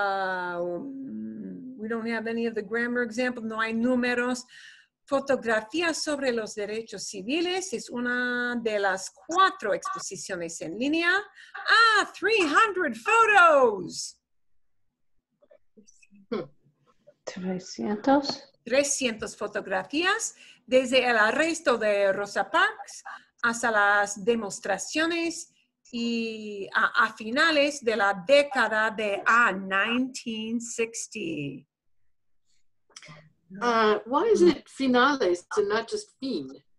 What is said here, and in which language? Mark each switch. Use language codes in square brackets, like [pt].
[en] We don't have any of the grammar examples. [es] No hay números. Fotografía sobre los derechos civiles es una de las cuatro exposiciones en línea. [en] Ah, 300 photos. 300. [es] 300 fotografías desde el arresto de Rosa Parks hasta las demostraciones y a finales de la década de 1960. [en] Why is it finales and not just fin?